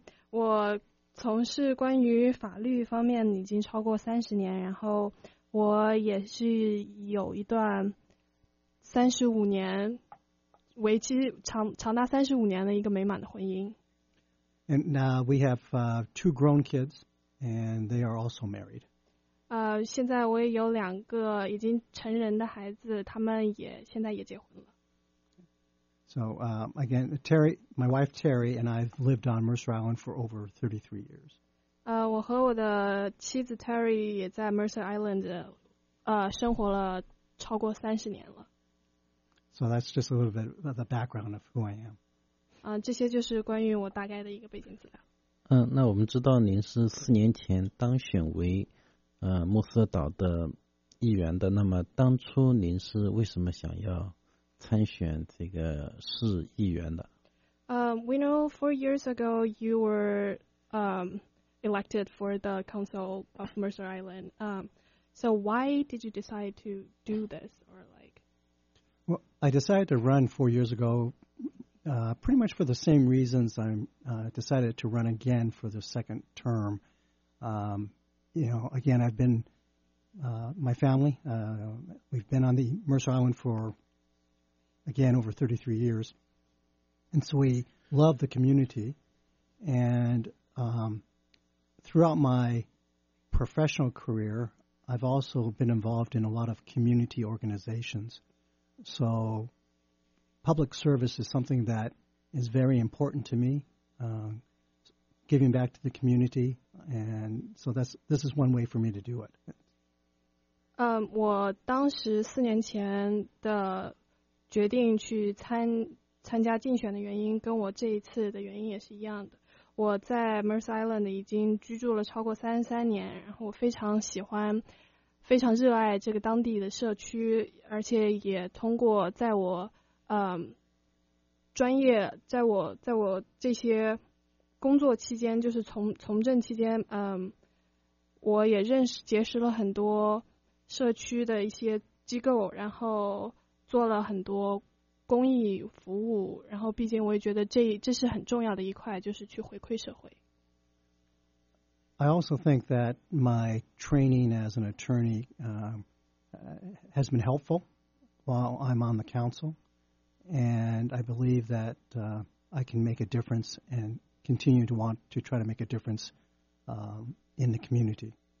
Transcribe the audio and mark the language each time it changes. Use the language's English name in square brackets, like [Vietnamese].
[Chinese] 我从事关于法律方面已经超过30年，然后我也是有一段35年，为期长达35年的一个美满的婚姻。 [English] And now we have two grown kids, and they are also married. [Chinese] 现在我也有两个已经成人的孩子，他们也现在也结婚了。 [English] So again, Terry, my wife Terry, and I've lived on Mercer Island for over 33 years. [Chinese] 我和我的妻子 Terry 也在 Mercer Island, 生活了超过30年了。 [English] So that's just a little bit of the background of who I am. [Chinese] 这些就是关于我大概的一个背景资料。那我们知道您是四年前当选为穆斯岛的议员的，那么当初您是为什么想要参选这个市议员的？ [English] We know 4 years ago you were elected for the council of Mercer Island. So why did you decide to do this? Or like? Well, I decided to run 4 years ago. Pretty much for the same reasons I decided to run again for the second term. Again, I've been, my family, we've been on the Mercer Island for, again, over 33 years. And so we love the community. And throughout my professional career, I've also been involved in a lot of community organizations. So public service is something that is very important to me, giving back to the community, and so this is one way for me to do it. [Chinese] 我当时四年前的决定去参加竞选的原因跟我这一次的原因也是一样的。我在 Mercer Island 已经居住了超过33年，然后我非常喜欢，非常热爱这个当地的社区，而且也通过在我专业在我这些工作期间，就是从政期间，我也结识了很多社区的一些机构，然后做了很多公益服务，然后毕竟我也觉得这是很重要的一块，就是去回馈社会。 [English] I also think that my training as an attorney has been helpful while I'm on the council. And I believe that I can make a difference and continue to want to try to make a difference in the community.